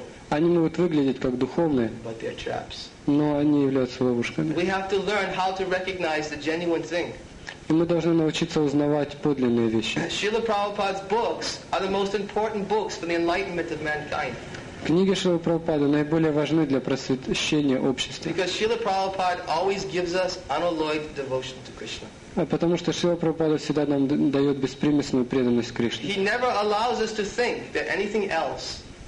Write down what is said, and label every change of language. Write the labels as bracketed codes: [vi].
[ru] Они могут выглядеть как духовные, но они являются ловушками. [en] We have to learn how to recognize the genuine thing. [ru] И мы должны научиться узнавать подлинные вещи. [en] Srila Prabhupada's books are the most important books for the enlightenment of mankind. [ru] Книги Шрилы Прабхупады наиболее важны для просвещения общества. [en] Because Srila Prabhupada always gives us unalloyed devotion to Krishna. [ru] А потому что Шрила Прабхупада всегда нам дает беспримесную преданность Кришне. [en] He never allows us to think that anything else.